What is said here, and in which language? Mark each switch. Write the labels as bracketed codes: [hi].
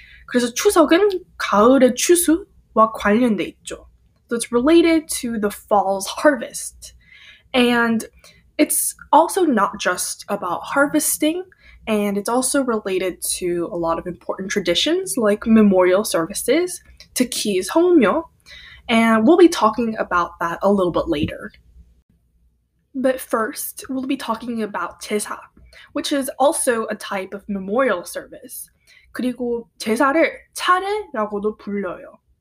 [ko] 그래서 추석은 가을의 추수와 관련돼 있죠. [en] So it's related to the fall's harvest. And it's also not just about harvesting, and it's also related to a lot of important traditions like memorial services, [ko] 특히 [en] 성묘, and we'll be talking about that a little bit later. But first, we'll be talking about 제사, which is also a type of memorial service. [ko] 그리고 제사를 차례라고도 불러요.